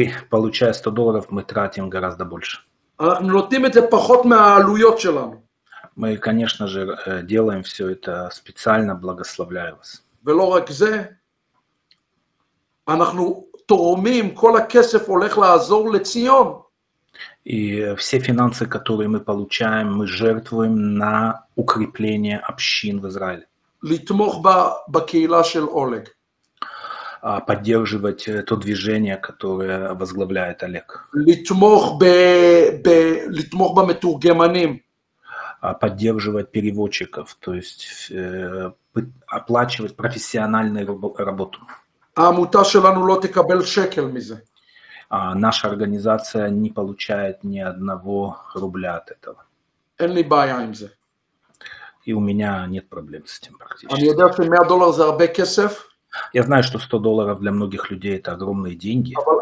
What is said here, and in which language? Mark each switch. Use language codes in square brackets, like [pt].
[ru] Получая $100, мы тратим гораздо больше. [he] אנחנו נותנים את זה פחות מהעלויות שלנו. [ru] Мы, конечно же, делаем все это специально, благословляя вас. [he] ולא רק זה, אנחנו תורמים, כל הכסף הולך לעזור לציון. [ru] И все финансы, которые мы получаем, мы жертвуем на укрепление общин в Израиле. [he] לתמוך בקהילה של אולג. [ru] Поддерживать то движение, которое возглавляет Олег. [he] לתמוך במתורגמנים. [ru] Поддерживать переводчиков, то есть оплачивать профессиональную работу. [he] העמותה שלנו לא תקבל שקל מזה. [ru] А наша организация не получает ни одного рубля от этого. И у меня нет проблем с этим практически. Я знаю, что $100 для многих людей это огромные деньги.